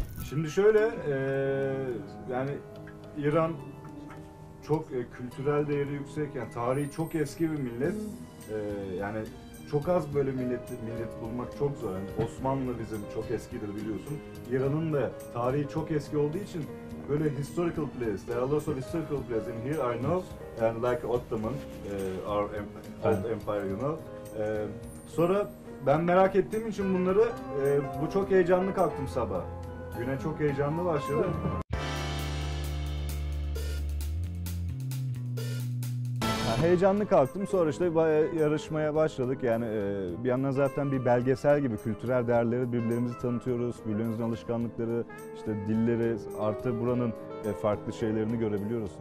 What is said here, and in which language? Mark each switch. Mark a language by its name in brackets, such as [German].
[Turkish] Şimdi şöyle, yani İran çok kültürel değeri yüksek, yani tarihi çok eski bir millet. Yani çok az böyle millet bulmak çok zor. Yani Osmanlı bizim çok eskidir biliyorsun. İran'ın da tarihi çok eski olduğu için böyle [English] historical places, there are lots of historical places in here I know. And like Ottoman, our old empire you know. [Turkish] Sonra ben merak ettiğim için bunları, bu çok heyecanlı kalktım sabah. Güne çok heyecanlı başladım. Heyecanlı kalktım, sonra işte yarışmaya başladık. Yani bir yandan zaten bir belgesel gibi kültürel değerleri birbirimizi tanıtıyoruz, birbirimizin alışkanlıkları, işte dilleri, artı buranın farklı şeylerini görebiliyoruz.